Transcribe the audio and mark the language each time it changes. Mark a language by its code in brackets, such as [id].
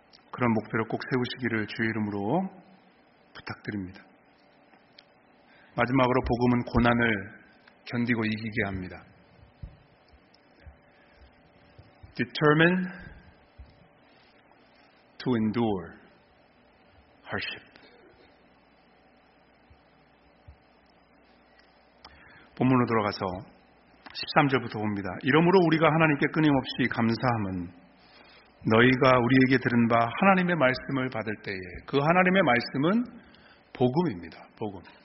[ko] 그런 목표를 꼭 세우시기를 주의 이름으로 부탁드립니다. 마지막으로 복음은 고난을 견디고 이기게 합니다. [en] Determine to endure hardship. [ko] 본문으로 돌아가서 13절부터 봅니다. 이러므로 우리가 하나님께 끊임없이 감사함은 너희가 우리에게 들은 바 하나님의 말씀을 받을 때에 그 하나님의 말씀은 복음입니다. 복음.